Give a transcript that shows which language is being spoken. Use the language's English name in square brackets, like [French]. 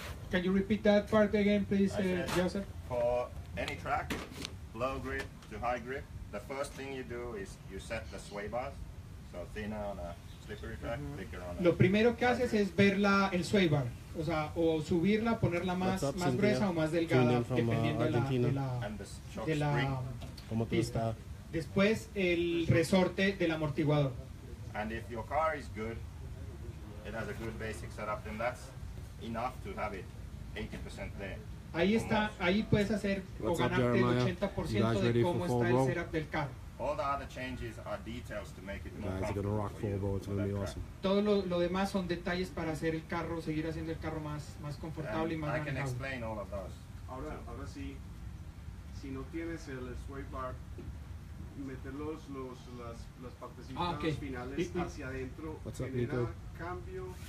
[English] Can you repeat that part again, please, Joseph? For any track, low grip to high grip, the first thing you do is you set the sway bars. So thinner on a slippery track, thicker on a... [Spanish] Lo primero que haces es ver el sway bar. O sea, o subirla, ponerla más gruesa o más delgada, dependiendo de la... Después, el resorte del amortiguador. [English] And if your car is good, it has a good basic setup, then that's enough to have it. 80% there. [Spanish] Ahí está, ahí puedes hacer o ganarte el 80% de cómo está el setup del carro. [English] All the other changes are details to make it more comfortable. Guys, you're gonna rock four roads, it's gonna be awesome. [Spanish] Todo lo demás son detalles para hacer el carro, seguir haciendo el carro más confortable y más manejable. [English] I can explain all of those. [Spanish] Ahora sí, si no tienes el sway bar, meter las partecitas finales hacia adentro, genera cambio.